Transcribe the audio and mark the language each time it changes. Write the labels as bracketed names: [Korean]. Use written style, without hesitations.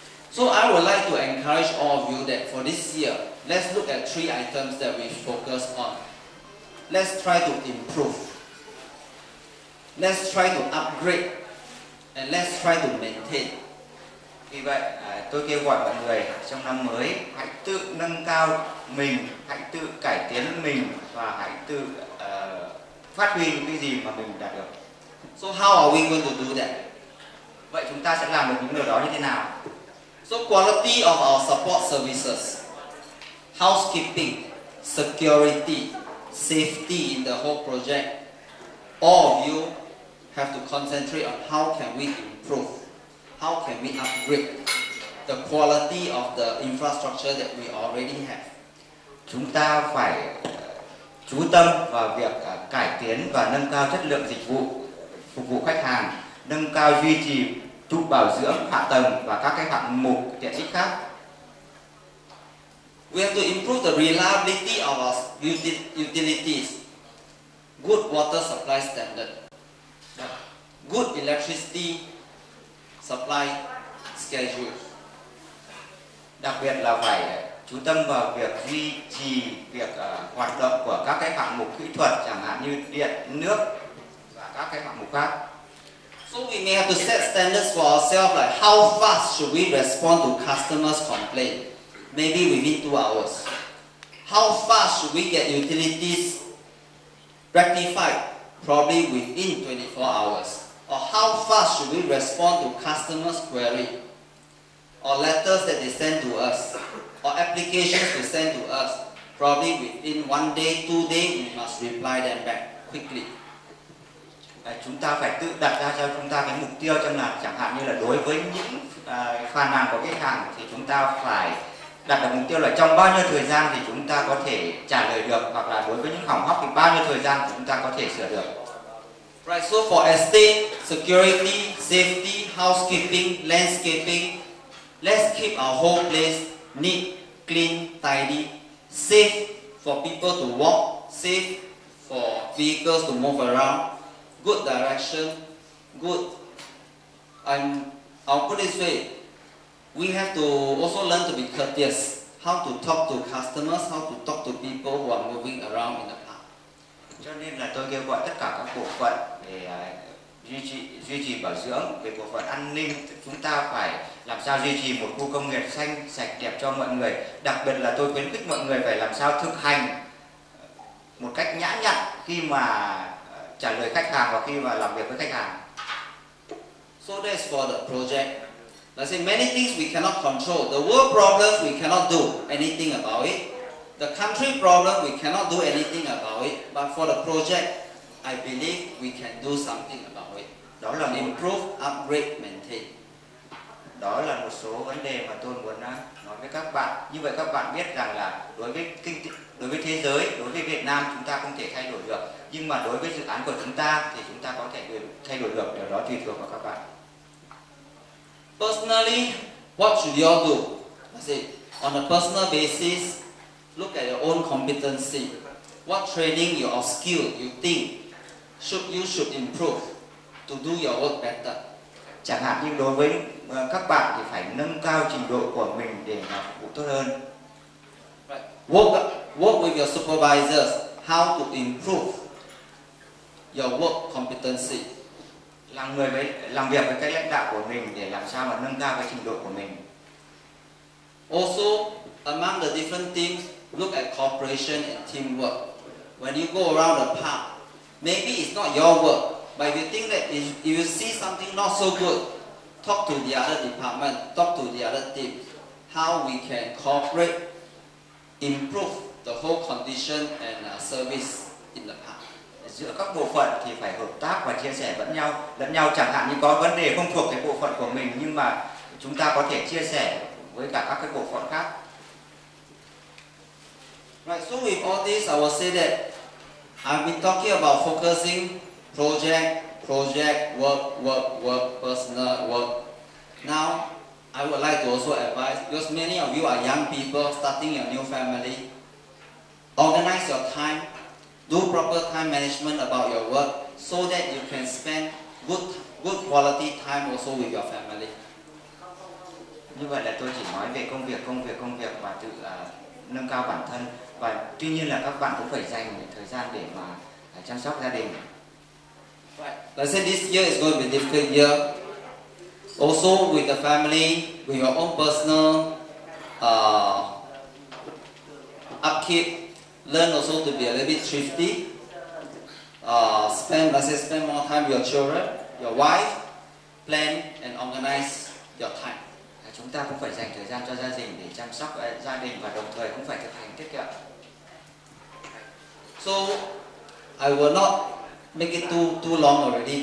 [English] So I would like to encourage all of you that for this year, let's look at three items that we focus on. Let's try to improve. Let's try to upgrade. And let's try to maintain. [Vietnamese] Vì vậy, tôi kêu gọi mọi người trong năm mới hãy tự nâng cao mình, hãy tự cải tiến mình và hãy tự phát huy những cái gì mà mình đạt được. [English] So how are we going to do that? [Vietnamese] Vậy chúng ta sẽ làm được những điều đó như thế nào? [English] So quality of our support services, housekeeping, security, safety in the whole project, all of you have to concentrate on how can we improve, how can we upgrade the quality of the infrastructure that we already have. [Vietnamese] Chúng ta phải chú tâm vào việc cải tiến và nâng cao chất lượng dịch vụ phục vụ khách hàng, nâng cao duy trì trụ bảo dưỡng hạ tầng và các cái hạng mục tiện ích khác. [English] We have to improve the reliability of our utilities, good water supply standard, good electricity supply schedule. [Vietnamese] Đặc biệt là phải chú tâm vào việc duy trì việc hoạt động của các cái hạng mục kỹ thuật, chẳng hạn như điện, nước và các cái hạng mục khác. [English] So we may have to set standards for ourselves, like how fast should we respond to customers' complaint? Maybe within 2 hours. How fast should we get utilities rectified? Probably within 24 hours. Or how fast should we respond to customers' query, or letters that they send to us, or applications they send to us? Probably within 1 day, 2 days, we must reply them back quickly. [Vietnamese] Chúng ta phải tự đặt ra cho chúng ta cái mục tiêu, chẳng hạn như là đối với những phàn nàn của khách hàng thì chúng ta phải đặt được mục tiêu là trong bao nhiêu thời gian thì chúng ta có thể trả lời được, hoặc là đối với những hỏng hóc thì bao nhiêu thời gian chúng ta có thể sửa được. [English] Right, so for estate, security, safety, housekeeping, landscaping, let's keep our whole place neat, clean, tidy, safe for people to walk, safe for vehicles to move around, good direction, good. And I'll put it this way, we have to also learn to be courteous, how to talk to customers, how to talk to people who are moving around in the park. [Vietnamese] Cho nên là tôi kêu gọi tất cả các bộ phận để duy trì bảo dưỡng, về bộ phận an ninh, chúng ta phải làm sao duy trì một khu công nghiệp xanh, sạch, đẹp cho mọi người. Đặc biệt là tôi khuyến khích mọi người phải làm sao thực hành một cách nhã nhặn khi mà trả lời khách hàng và khi mà làm việc với khách hàng. [English] So that's for the project. Let's say many things we cannot control. The world problems we cannot do anything about it. The country problem we cannot do anything about it. But for the project, I believe we can do something about it. [Vietnamese] Đó là [English] improve, upgrade, maintain. [Vietnamese] Đó là một số vấn đề mà tôi muốn nói với các bạn. Như vậy các bạn biết rằng là đối với thế giới, đối với Việt Nam chúng ta không thể thay đổi được. Nhưng mà đối với dự án của chúng ta thì chúng ta có thể thay đổi được. Điều đó tùy thuộc vào các bạn. [English] Personally, what should you all do? I say, on a personal basis, look at your own competency. What training you or skill you think you should improve to do your work better? [Vietnamese] Chẳng hạn như đối với các bạn thì phải nâng cao trình độ của mình để mà phục vụ tốt hơn. [English] Right. Work with your supervisors how to improve your work competency. [Vietnamese] Làm việc với các lãnh đạo của mình để làm sao mà nâng cao cái trình độ của mình. [English] Also, among the different teams, look at cooperation and teamwork. When you go around the park, maybe it's not your work, but if you think that if you see something not so good, talk to the other department, talk to the other team, how we can cooperate, improve the whole condition and service in the park. [Vietnamese] Giữa các bộ phận thì phải hợp tác và chia sẻ lẫn nhau. Chẳng hạn như có vấn đề không thuộc cái bộ phận của mình nhưng mà chúng ta có thể chia sẻ với cả các cái bộ phận khác. [English] Right, so with all this, I will say that I've been talking about focusing project, work, personal work. Now, I would like to also advise, because many of you are young people starting your new family, organize your time, do proper time management about your work so that you can spend good quality time also with your family. [Vietnamese] Như vậy là tôi chỉ nói về công việc và tự nâng cao bản thân. Và tuy nhiên là các bạn cũng phải dành thời gian để mà chăm sóc gia đình. [English] Let's say this year is going to be a difficult year. Also with the family, with your own personal upkeep, learn also to be a little bit thrifty. Spend more time with your children, your wife, plan and organize your time. [Vietnamese] Chúng ta cũng phải dành thời gian cho gia đình để chăm sóc gia đình và đồng thời cũng phải thực hành tiết kiệm. [English] So, I will not make it too long already.